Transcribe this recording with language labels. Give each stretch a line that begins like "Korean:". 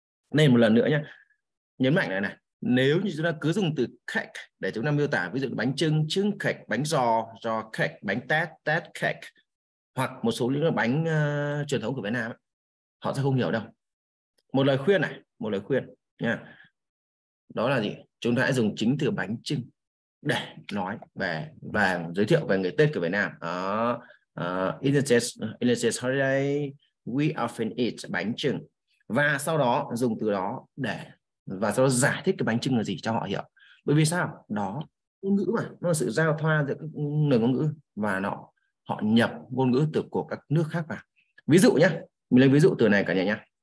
Vietnamese: Nên một lần nữa nhé, nhấn mạnh này, nếu như chúng ta cứ dùng từ khách để chúng ta miêu tả, ví dụ bánh chưng, chưng khách, bánh giò khách, bánh tét khách, hoặc một số những bánh truyền thống của Việt Nam, họ sẽ không hiểu đâu. Một lời khuyên nha. Đó là gì? Chúng ta hãy dùng chính từ bánh chưng để nói về và giới thiệu về người Tết của Việt Nam.
English: In this holiday, we often eat bánh chưng.
Vietnamese: Và sau đó dùng từ đó để và sau đó giải thích cái bánh chưng là gì cho họ hiểu. Bởi vì sao? Đó, ngôn ngữ mà. Nó là sự giao thoa giữa các nền ngôn ngữ và họ nhập ngôn ngữ từ của các nước khác vào. Ví dụ nhé. Mình lấy ví dụ từ này cả nhà nhé.